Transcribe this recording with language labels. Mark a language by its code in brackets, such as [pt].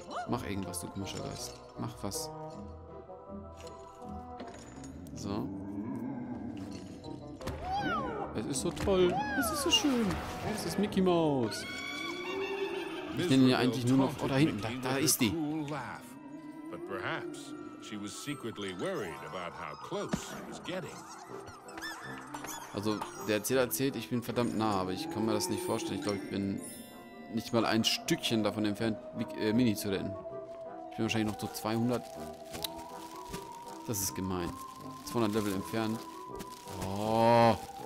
[de] Mach irgendwas, du komischer Geist. Mach was. So. Es ist so toll. Es ist so schön. Es ist Mickey Mouse. Ich nenne ihn ja eigentlich nur noch... Oh, da hinten. Da ist die. [en] But perhaps she was secretly worried about how close I was getting. [de] Also, der Erzähler erzählt, ich bin verdammt nah, aber ich kann mir das nicht vorstellen. Ich glaube, ich bin nicht mal ein Stückchen davon entfernt, Mini zu retten. Ich bin wahrscheinlich noch zu 200. Das ist gemein. 200 Level entfernt. Oh.